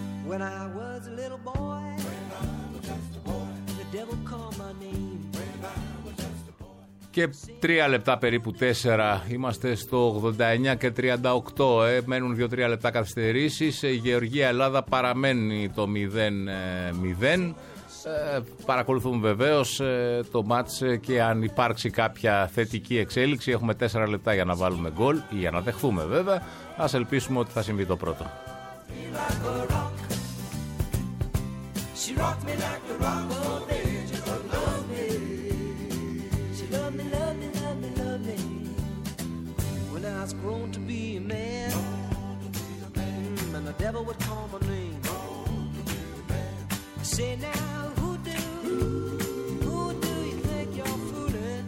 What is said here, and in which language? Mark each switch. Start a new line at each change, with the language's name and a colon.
English: When I was a little boy, the devil called my name.
Greek: Και 3 λεπτά, περίπου 4, είμαστε στο 89 και 38, μένουν 2-3 λεπτά καθυστερήσεις. Η Γεωργία Ελλάδα παραμένει το 0-0. Παρακολουθούμε βεβαίως το μάτς και αν υπάρξει κάποια θετική εξέλιξη. Έχουμε 4 λεπτά για να βάλουμε γκολ ή για να δεχθούμε, βέβαια. Ας ελπίσουμε ότι θα συμβεί το πρώτο.
English: She rocked me like the rock of ages. She loved me. She loved me, loved me, loved me, loved me. When I was grown to be a man, and the devil would call my name. Grown to be a man. I say now, who do you think you're fooling?